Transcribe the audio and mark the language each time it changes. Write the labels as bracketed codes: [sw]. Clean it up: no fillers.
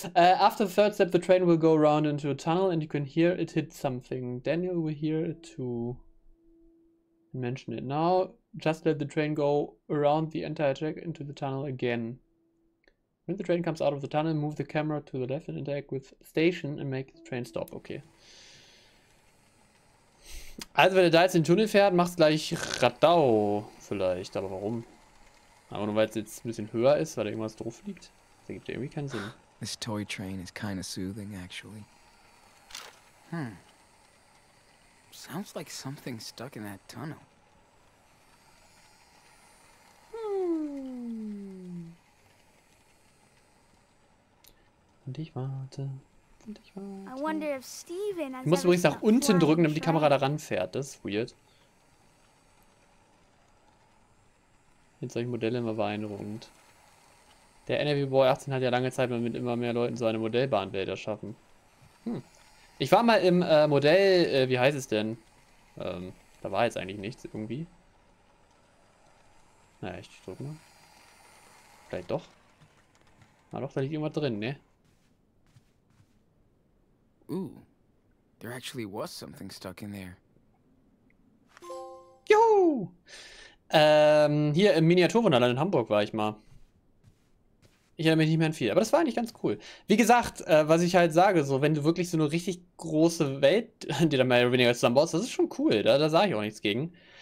[en] After the third step, the train will go around into a tunnel and you can hear it hit something. Daniel will hear it too. Mention it now. Just let the train go around the entire track into the tunnel again. When the train comes out of the tunnel, move the camera to the left and interact with station and make the train stop. Okay. [de] Also, wenn er da jetzt in den Tunnel fährt, macht's gleich Radau vielleicht. Aber warum? Aber nur weil es jetzt ein bisschen höher ist, weil da irgendwas drauf liegt. Das ergibt irgendwie keinen Sinn. [en] This toy train is kind of soothing, actually. Sounds like something stuck in that tunnel. [de] Und ich warte. Und ich warte. [en] I wonder if Steven has. [de] Du musst übrigens nach unten drücken, damit die Kamera da ranfährt. Das ist weird. Jetzt solche Modelle immer beeindruckend. Der NRW Boy 18 hat ja lange Zeit mit immer mehr Leuten so eine Modellbahnwelt erschaffen. Ich war mal im Modell, wie heißt es denn? Da war jetzt eigentlich nichts irgendwie. Na echt, ich drück mal. Vielleicht doch. Na doch, da liegt immer drin, ne? [en] Ooh, there actually was something stuck in there. [de] Juhu! Hier im Miniaturwunderland in Hamburg war ich mal. Ich erinnere mich nicht mehr an viel, aber das war eigentlich ganz cool. Wie gesagt, was ich halt sage, so, wenn du wirklich so eine richtig große Welt dir dann mehr oder weniger zusammenbaust, das ist schon cool, da sage ich auch nichts gegen.